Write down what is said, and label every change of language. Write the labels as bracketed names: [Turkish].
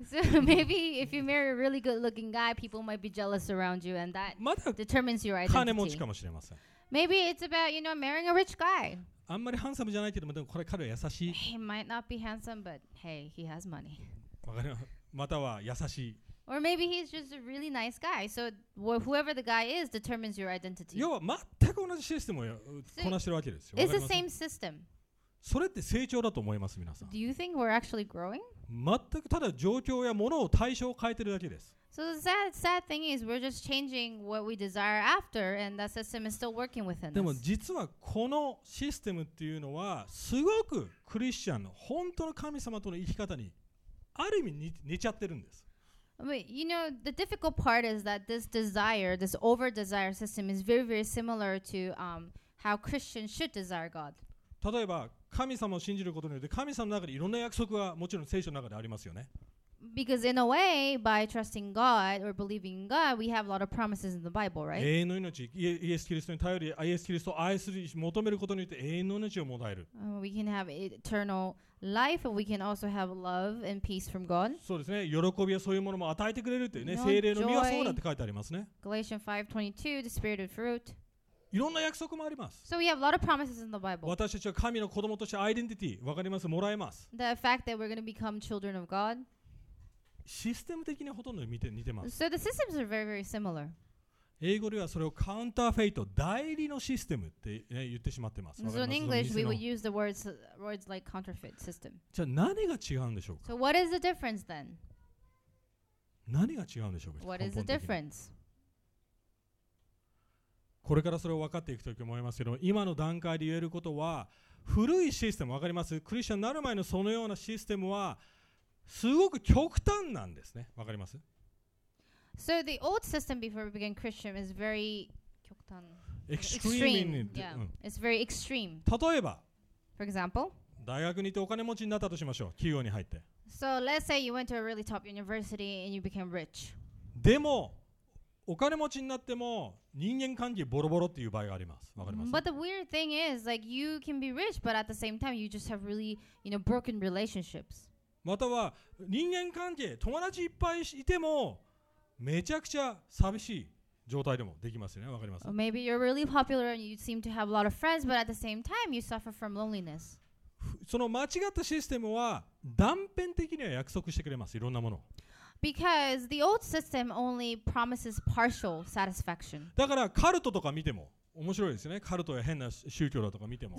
[English] So maybe if you marry a really good looking guy, people might be jealous around you and that determines your identity. [Japanese] 金持ちかもしれません。 [English] Maybe it's about, you know, marrying a rich guy. [Japanese] あんまりハンサムじゃないけども、でもこれ彼は優しい。 [English] He might not be handsome, but hey, he has money. [Japanese] わかります。または優しい。 [English] Or maybe he's just a really nice guy. So whoever the guy is determines your identity. [Japanese] 要は全く同じシステムをこなしてるわけですよ。 [English] It's the same system. [Japanese] それって成長だと思います、皆さん。 [English] Do you think we're actually growing? [Japanese] 全くただ状況やものを対象を変えてるだけです。 [English] So the sad thing is we're just changing what we desire after and that system is still working within us. [Japanese] でも実はこのシステムっていうのはすごくクリスチャンの本当の神様との生き方にある意味似ちゃってるんです。 [English] But you know, the difficult part is that this desire, this over desire system is very, very similar to how Christians should desire God. [Japanese] 例えば、神様を信じることによって、神様の中でいろんな約束はもちろん聖書の中でありますよね。 [English] Because in a way, by trusting God or believing in God, we have a lot of promises in the Bible, right? [Japanese] 永遠の命、イエス・キリストに頼り、イエス・キリストを愛する、求めることによって永遠の命をもらえる。 [English] We can have eternal life, and we can also have love and peace from God. [Japanese] そうですね、喜びやそういうものも与えてくれるっていうね、聖霊の御業そうだって書いてありますね。 [English] Galatians 5:22, the spirit of fruit. [Japanese] いろんな約束もあります。 [English] So we have a lot of promises in the Bible. [Japanese] 私たちは神の子供としてアイデンティティ、わかります、もらえます。 [English] The fact that we're going to become children of God. [Japanese] システム的にほとんど似てます。 [English] So the systems are very, very similar. [Japanese] 英語ではそれをカウンターフェイト、代理のシステムって、ね、言ってしまってます。 [English] So in English, we would use the words like counterfeit system. [Japanese] じゃあ何が違うんでしょうか。 [English] So what is the difference then? [Japanese] 何が違うんでしょうか。 [English] What is the difference? [Japanese] これからそれを分かっていくと思いますけど、今の段階で言えることは、古いシステム、分かります? クリスチャンになる前のそのようなシステムは、すごく極端なんですね。分かります? [English] So the old system before we began Christian is very 極端。 Extreme. Yeah, it's very extreme. [Japanese] 例えば、 [English] For example? [Japanese] 大学に行ってお金持ちになったとしましょう。企業に入って。 [English] So let's say you went to a really top university and you became rich. [Japanese] でも、お金持ちになっても人間関係ボロボロっていう場合があります。わかります? [English] But the weird thing is, like, you can be rich, but at the same time, you just have really, you know, broken relationships. [Japanese] または人間関係、友達いっぱいいてもめちゃくちゃ寂しい状態でもできますよね。わかります? [English] Or maybe you're really popular and you seem to have a lot of friends, but at the same time, you suffer from loneliness. [Japanese] その間違ったシステムは断片的には約束してくれます。いろんなものを。 [English] Because the old system only promises partial satisfaction. [Japanese] だからカルトとか見ても面白いですね。カルトや変な宗教だとか見ても。